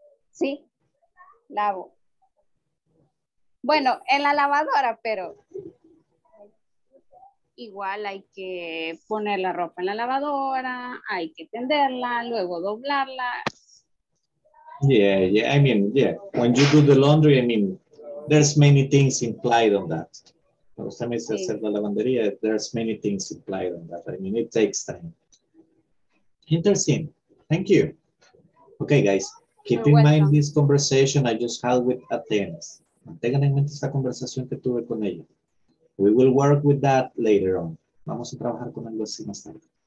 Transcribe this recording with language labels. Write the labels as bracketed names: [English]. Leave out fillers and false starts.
[Spanish] Sí, lavo. Bueno, en la lavadora, pero igual hay que poner la ropa en la lavadora, hay que tenderla, luego doblarla. [English] Yeah. When you do the laundry, there's many things implied on that. [Spanish] Cuando usted me dice hacer la lavandería, [English] there's many things implied on that. I mean, it takes time. Interesting. Thank you. Okay, guys. Keep in mind this conversation I just had with Athena. [Spanish] Mantengan en mente esta conversación que tuve con ella. [English] We will work with that later on. [Spanish] Vamos a trabajar con algo así más tarde.